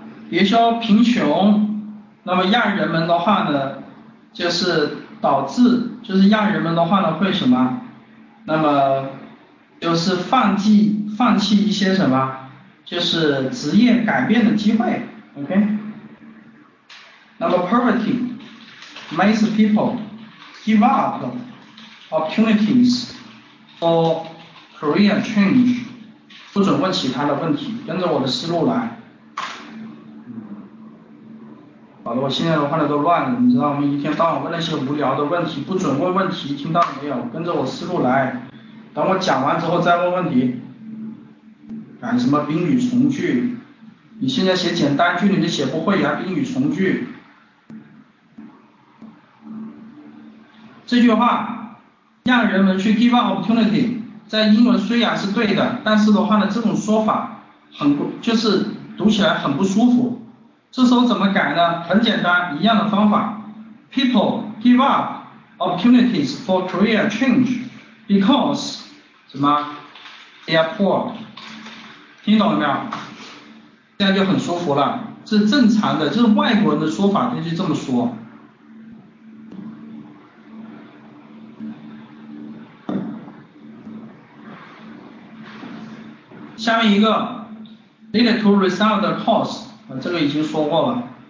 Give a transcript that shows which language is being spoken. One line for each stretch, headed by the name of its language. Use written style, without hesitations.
Chinese: 比如说贫穷，那么让人们的话呢，就是导致，就是让人们的话呢会什么，那么就是放弃一些什么，就是职业改变的机会， OK。那么
English: poverty makes people give up opportunities for career change。
Chinese: 不准问其他的问题，跟着我的思路来。好的，我现在的话呢都乱了，你知道我们一天到晚问那些无聊的问题，不准问问题，听到没有？跟着我思路来，等我讲完之后再问问题。改什么宾语从句？你现在写简单句你就写不会呀，宾语从句。这句话让人们去
English: give up opportunity，
Chinese: 在英文虽然是对的，但是的话呢，这种说法很就是读起来很不舒服。这时候怎么改呢？很简单，一样的方法。
English: People give up opportunities for career change because
Chinese: 什么
English: they are poor。
Chinese: 听懂了没有？这样就很舒服了，是正常的，就是外国人的说法，就是这么说。下面一个，
English: need to resolve the cause，
Chinese: 这个已经说过了。